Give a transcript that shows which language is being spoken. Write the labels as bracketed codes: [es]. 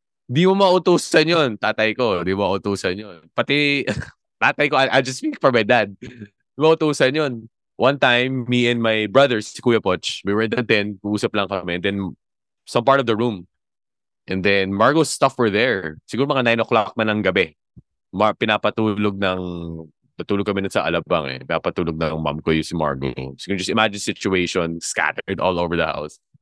[tl] Di mo mautusan yun, tatay ko, di mo mautusan yun. Pati, tatay ko, [en] I just speak for my dad. [tl] Di mo mautusan yun. [en] One time, me and my brothers, si Kuya Poch, we were in the tent, [tl] uusap lang kami, [en] and then, some part of the room. And then, Margo's stuff were there. [tl] Siguro mga 9 o'clock man ng gabi. Pinapatulog ng, patulog kami sa Alabang eh. Pinapatulog ng mom ko yung si Margo. [en] So you can just imagine situation scattered all over the house.